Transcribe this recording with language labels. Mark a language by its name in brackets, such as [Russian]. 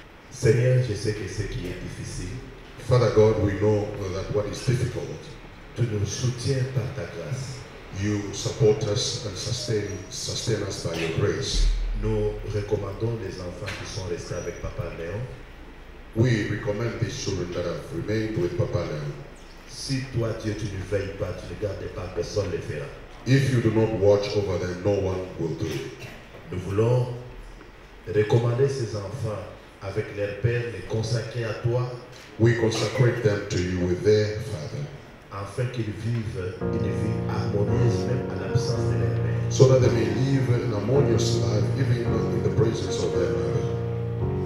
[French] Seigneur, je sais que ce qui est difficile. [English] Father God, we know that what is difficult. [French] Tu nous soutiens par ta grâce. [English] You support us and sustain us by your grace. [French] Nous recommandons les enfants qui sont restés avec Papa Léon. [English] We recommend these children that have remained with Papa Léon. [French] Si toi, Dieu, tu ne veilles pas, tu ne gardes pas, personne ne le fera. [English] If you do not watch over them, no one will do it. [French] Nous voulons recommander ces enfants avec leur père, les consacrer à toi. [English] We consecrate them to you with their father. [French] Afin qu'ils vivent une vie harmonieuse même à l'absence de leur père. [English] So that they may live an harmonious life even in the presence of their mother.